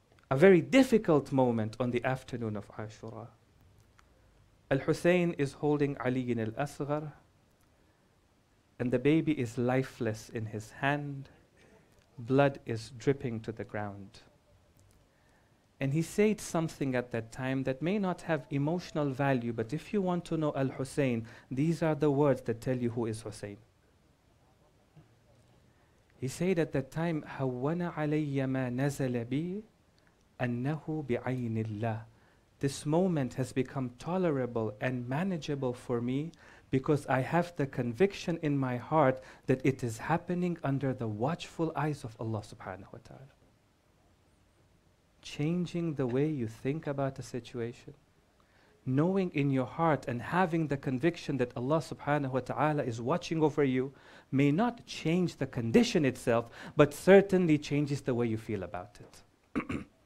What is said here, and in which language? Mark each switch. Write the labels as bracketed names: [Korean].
[English] A very difficult moment on the afternoon of Ashura. Al-Hussein is holding Ali in Al-Asghar, and the baby is lifeless in his hand. Blood is dripping to the ground. And he said something at that time that may not have emotional value, but if you want to know Al-Hussein, these are the words that tell you who is Hussein. He said at that time, [Arabic] هَوَّنَ عَلَيَّ مَا نَزَلَ بِي أَنَّهُ بِعَيْنِ اللَّهِ. [English] This moment has become tolerable and manageable for me because I have the conviction in my heart that it is happening under the watchful eyes of Allah subhanahu wa ta'ala. Changing the way you think about a situation, knowing in your heart and having the conviction that Allah subhanahu wa ta'ala is watching over you, may not change the condition itself, but certainly changes the way you feel about it.